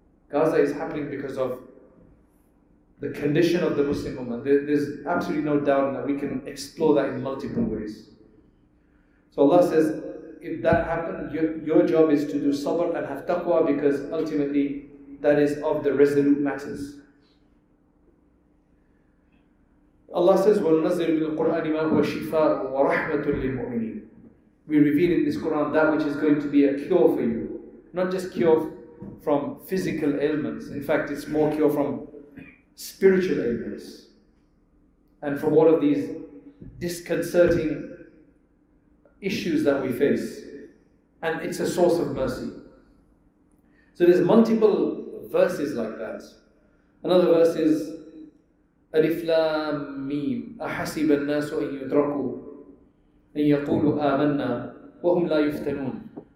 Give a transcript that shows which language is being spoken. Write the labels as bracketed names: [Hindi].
[English] Gaza is happening because of the condition of the Muslim ummah. There's absolutely no doubt that we can explore that in multiple ways. So Allah says, if that happened, your job is to do sabr and have taqwa, because ultimately that is of the resolute matters. Allah says, [Arabic] وَنُنَزِّلُ بِالْقُرْآنِ مَا هُوَ شِفَاءٌ وَرَحْمَةٌ لِلْمُؤْمِنِينَ. [English] We reveal in this Quran that which is going to be a cure for you. Not just cure from physical ailments. In fact, it's more cure from spiritual ailments. And from all of these disconcerting issues that we face, and it's a source of mercy. So there's multiple verses like that. Another verse is [Arabic] Alif Lam Mim, أَحَسِبَ النَّاسُ أَن يُدْرَكُوا أَن يَقُولُوا آمَنَّا وَهُمْ لَا يُفْتَنُونَ.